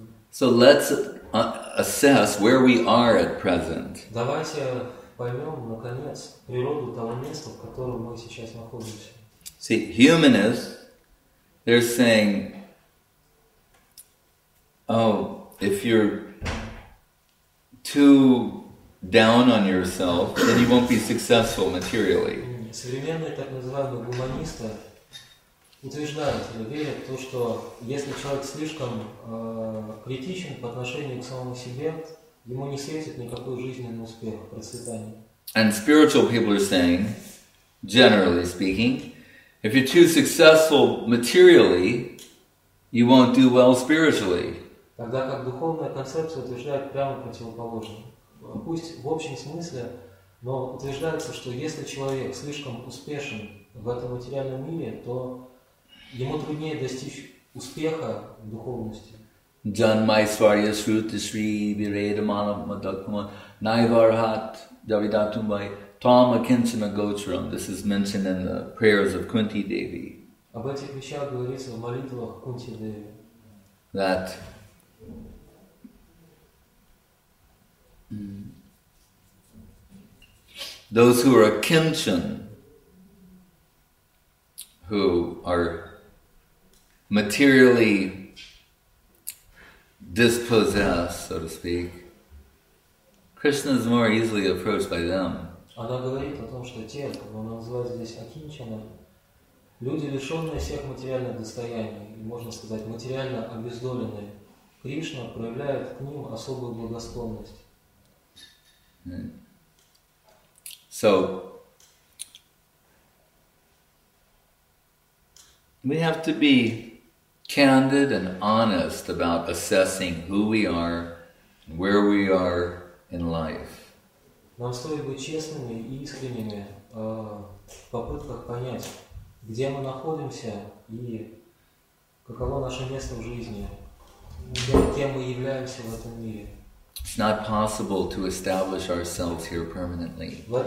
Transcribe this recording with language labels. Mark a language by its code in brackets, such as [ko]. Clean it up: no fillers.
[en] So let's assess where we are at present. [ru] Поймем, наконец, природу того места, в котором мы сейчас находимся. [en] See, humanists, they're saying, oh, if you're too down on yourself, then you won't be successful materially. [ru] Современные, так называемые, гуманисты утверждают, верят в то, что если человек слишком критичен по отношению к самому себе, ему не светит никакой жизненный успех, процветание. [en] And spiritual people are saying, generally speaking, if you're too successful materially, you won't do well spiritually. [ru] Тогда как духовная концепция утверждает прямо противоположное. Пусть в общем смысле, но утверждается, что если человек слишком успешен в этом материальном мире, то ему труднее достичь успеха в духовности. [sa] Jan mai svarya sruti sri virede manam madakuma naivarhat. Davidatumbai, Tama Kinsana Gotram. [en] This is mentioned in the prayers of Kunti Devi. [ru] Об этих вещах говорится в молитвах Кунти Деви. [en] That those who are a Kinchan, who are materially dispossessed, so to speak, Krishna is more easily approached by them. [ru] Она говорит о том, что те, кого она называет здесь акинчана, люди, лишенные всех материальных достояний, можно сказать, материально обездоленные, Кришна проявляет к ним особую благосклонность. [en] So, we have to be candid and honest about assessing who we are, where we are, in life. [ru] Нам стоит быть честными и искренними в попытках понять, где мы находимся и каково наше место в жизни. [en] It's not possible to establish ourselves here permanently.